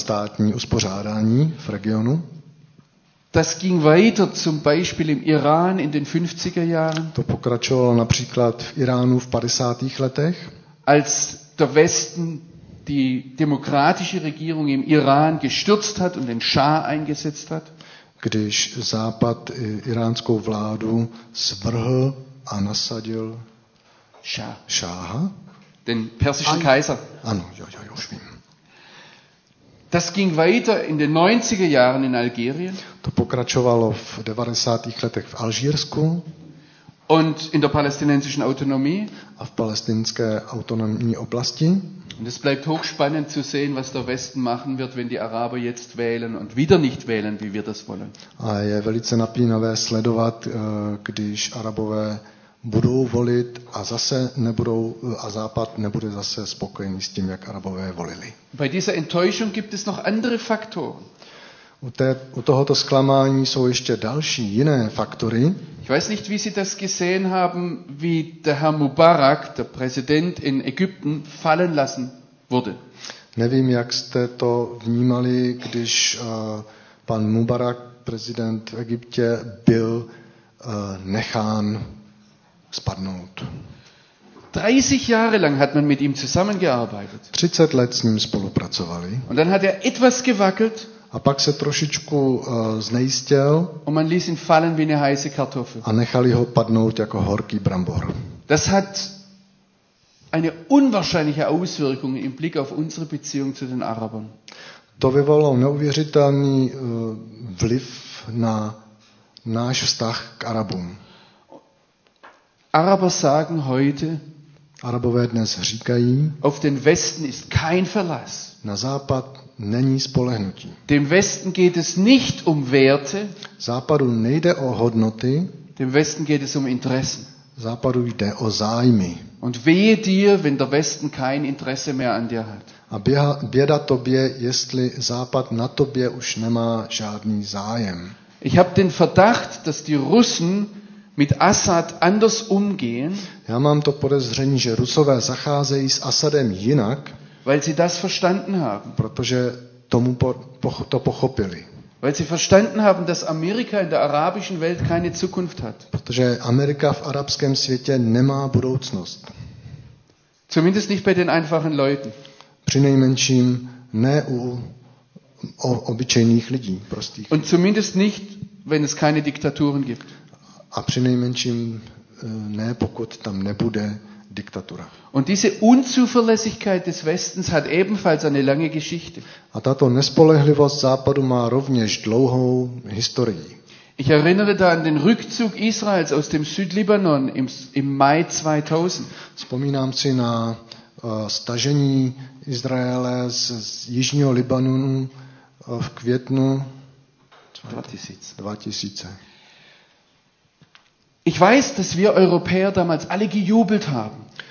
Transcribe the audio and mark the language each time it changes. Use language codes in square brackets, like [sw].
[cs] Státní uspořádání v regionu. [de] Das ging weiter zum Beispiel im Iran in den 50er Jahren. [cs] To pokračovalo například v Iránu v 50. letech. [de] Als der Westen die demokratische Regierung im Iran gestürzt hat und den Schah eingesetzt hat. [cs] Když Západ iránskou vládu svrhl a nasadil Schaha. [de] Den persischen Kaiser. [cs] Ano, jo, už vím. [de] Das ging weiter in den 90er Jahren in Algerien. [cs] To pokračovalo v 90. letech v Alžírsku. [de] Und in der palästinensischen Autonomie. [cs] A v palestinské autonomní oblasti. [de] Und es bleibt hochspannend zu sehen, was der Westen machen wird, wenn die Araber jetzt wählen und wieder nicht wählen, wie wir das wollen. [cs] A je velice napínavé sledovat, když Arabové budou volit a zase nebudou, a Západ nebude zase spokojený s tím, jak Arabové volili. [de] Bei dieser Enttäuschung gibt es noch andere Faktoren. [cs] U tohoto zklamání jsou ještě další jiné faktory. [de] Ich weiß nicht, wie Sie das gesehen haben, wie der Herr Mubarak, der Präsident in Ägypten, fallen lassen wurde. [cs] Nevím, jak jste to vnímali, když pan Mubarak, prezident v Egyptě, byl nechán spadnout. [de] 30 Jahre lang hat man mit ihm zusammengearbeitet. [cs] 30 let s ním spolupracovali. [de] Und dann hat er etwas gewackelt. [cs] A pak se trošičku znejistil. [de] Und man ließ ihn fallen wie eine heiße Kartoffel. [cs] A nechali ho padnout jako horký brambor. [de] Das hat eine unwahrscheinliche Auswirkung im Blick auf unsere Beziehung zu den Arabern. [cs] To vyvolalo neuvěřitelný vliv na náš vztah k Arabům. [de] Araber sagen heute, [cs] Arabové dnes říkají, [de] auf den Westen ist kein Verlass. [cs] Na západ není spolehnutí. [de] Dem Westen geht es nicht um Werte. [cs] Západu nejde o hodnoty. [de] Dem Westen geht es um Interessen. [cs] Západu jde o zájmy. [de] Und wehe dir, wenn der Westen kein Interesse mehr an dir hat. [cs] A běda tobě, jestli Západ na tobě už nemá žádný zájem. [de] Ich habe den Verdacht, dass die Russen mit Assad anders umgehen. [cs] Já mám to podezření, že Rusové zacházejí s Assadem jinak. [de] Weil sie das verstanden haben. [cs] Protože tomu to pochopili. [de] Weil sie verstanden haben, dass Amerika in der arabischen Welt keine Zukunft hat. [cs] Protože Amerika v arabském světě nemá budoucnost. [de] Zumindest nicht bei den einfachen Leuten. [cs] Přinejmenším ne u obyčejných lidí, prostých. [de] Und zumindest nicht, wenn es keine Diktaturen gibt. [cs] A přinejmenším ne, pokud tam nebude diktatura. [de] Und diese Unzuverlässigkeit des Westens hat ebenfalls eine lange Geschichte. [cs] A tato nespolehlivost Západu má rovněž dlouhou historii. [de] Ich erinnere da an den Rückzug Israels aus dem Südlibanon im Mai 2000. [cs] Vzpomínám si na stažení Izraele z jižního Libanonu v květnu 2000. [de] Ich weiß, dass wir Europäer damals alle gejubelt haben.